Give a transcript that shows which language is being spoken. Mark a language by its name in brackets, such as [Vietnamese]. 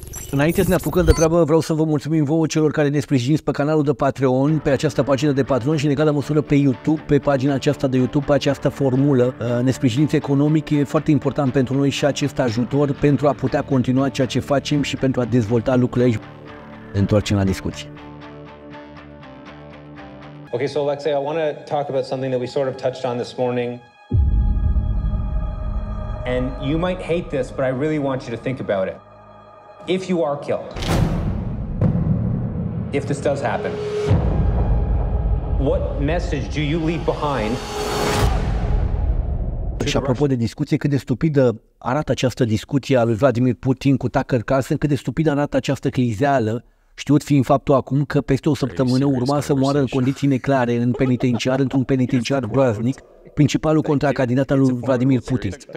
[Romanian] Înainte să ne apucăm de treabă, vreau să vă mulțumim vouă celor care ne sprijiniți pe canalul de Patreon, pe această pagină de Patreon și în egală măsură pe YouTube, pe pagina aceasta de YouTube, pe această formulă. Ne sprijiniți economic, e foarte important pentru noi și acest ajutor pentru a putea continua ceea ce facem și pentru a dezvolta lucrurile aici. Ne întoarcem la discuție. [English] Ok, so Alexei, I want to talk about something that we sort of touched on this morning. And you might hate this, but I really want you to think about it. If you are killed, if this does happen, what message do you leave behind? [Romanian] Și apropo de discuție, cât de stupidă arată această discuție a lui Vladimir Putin cu Tucker Carlson, cât de stupidă arată această crizeală, știut fiind faptul acum că peste o săptămână urma să moară în condiții neclare în penitenciar, într-un penitenciar groaznic, principalul contracandidat al lui Vladimir Putin.